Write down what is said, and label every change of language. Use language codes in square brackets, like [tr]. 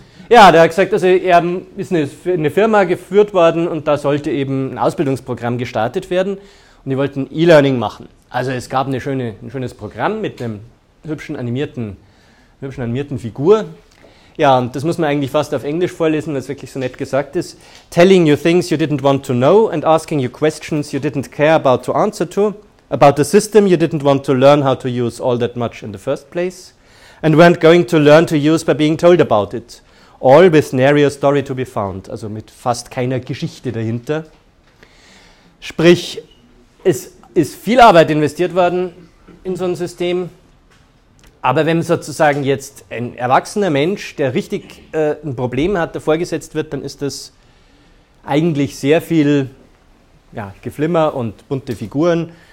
[de] Ja, der hat gesagt, also er ist eine Firma geführt worden und da sollte eben ein Ausbildungsprogramm gestartet werden und die wollten E-Learning machen. Also es gab ein schönes Programm mit einem hübschen animierten Figur. Ja, und das muss man eigentlich fast auf Englisch vorlesen, weil es wirklich so nett gesagt ist. [en] Telling you things you didn't want to know and asking you questions you didn't care about to answer to. About the system you didn't want to learn how to use all that much in the first place. And weren't going to learn to use by being told about it. All with nary a story to be found. [de] Also mit fast keiner Geschichte dahinter. Sprich, es ist viel Arbeit investiert worden in so ein System. Aber wenn sozusagen jetzt ein erwachsener Mensch, der richtig ein Problem hat, davor gesetzt wird, dann ist das eigentlich sehr viel Geflimmer und bunte Figuren.